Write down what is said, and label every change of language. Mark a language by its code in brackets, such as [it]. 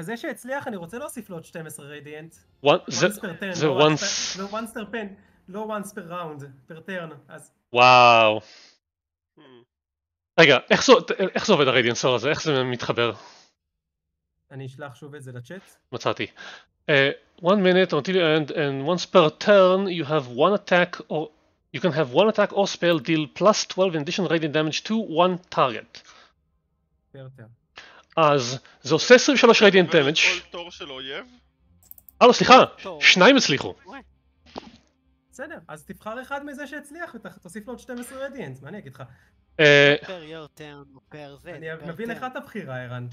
[he] זה שהצליח, אני רוצה להוסיף לו עוד 12 רדיאנט. [en] Once per 10. זה once... לא once per 10. לא once per round. per turn. [he] וואו. רגע, איך זה עובד הרדיאנס אור הזה? איך זה מתחבר? אני אשלח שוב את זה לצ'אט. מצאתי. [en] One minute until you end, and once per turn you have one attack or you can have one attack or spell deal plus 12 in addition radiant damage to one target. [he] אז זה עושה 23 radiant damage. כל תור של אויב? אלו, סליחה, שניים הצליחו. בסדר, אז תבחר אחד מזה שהצליח ותוסיף לו עוד 12 radiant, מה אני אגיד לך? אני מבין לך את הבחירה, אירן.